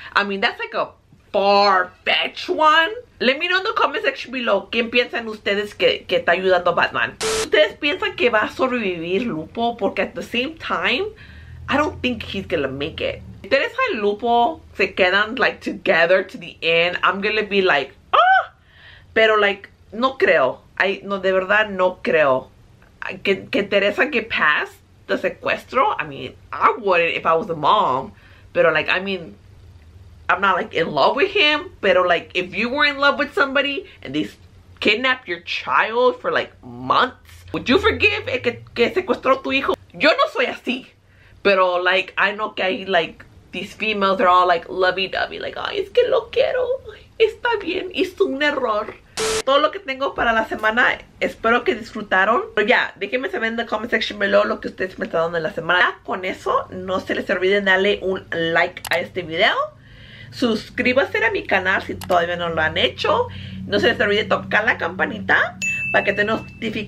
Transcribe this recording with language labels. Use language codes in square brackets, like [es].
[en] I mean, that's like a far-fetched one. Let me know in the comment section below. [es] ¿Quién piensan ustedes que está ayudando a Batman? ¿Ustedes piensan que va a sobrevivir Lupo? [en] Porque at the same time, I don't think he's gonna make it. [es] Si Teresa y Lupo se quedan [en] like together to the end, I'm gonna be like, ah! [es] Pero like, no creo. I, no, de verdad, no creo. [en] Que Teresa get past the sequestro? I mean, I wouldn't if I was a mom. Pero, like, I mean, I'm not, like, in love with him. Pero, like, if you were in love with somebody and they kidnapped your child for, like, months, would you forgive [es] que sequestro tu hijo? Yo no soy así. [en] Pero, like, I know [es] que hay, [en] like, these females are all, like, lovey-dovey. [es] Like, ay, es que lo quiero. Está bien. Hizo un error. Todo lo que tengo para la semana, espero que disfrutaron. Pero ya, déjenme saber en la [en] comment section below [es] lo que ustedes me están dando en la semana. Ya con eso, no se les olvide darle un like a este video. Suscríbase a mi canal si todavía no lo han hecho. No se les olvide tocar la campanita para que estén notificados cada vez que pongo un video nuevo. Y hasta la próxima semana.